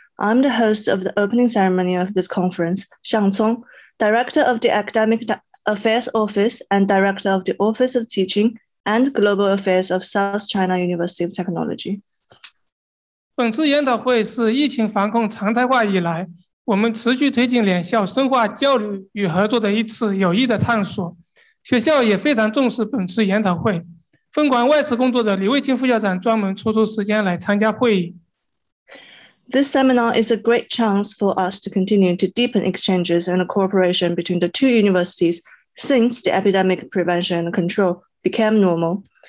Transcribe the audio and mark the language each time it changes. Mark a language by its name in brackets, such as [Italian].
[English] I'm the host of the opening ceremony of this conference, Xiang Cong, Director of the Academic Affairs Office and Director of the Office of Teaching and Global Affairs of South China University of Technology. [Chinese] 本次研讨会是疫情防控常态化以来，我们持续推进联校深化交流与合作的一次有益的探索。学校也非常重视本次研讨会。 [English] This seminar is a great chance for us to continue to deepen exchanges and cooperation between the two universities since the epidemic prevention and control became normal.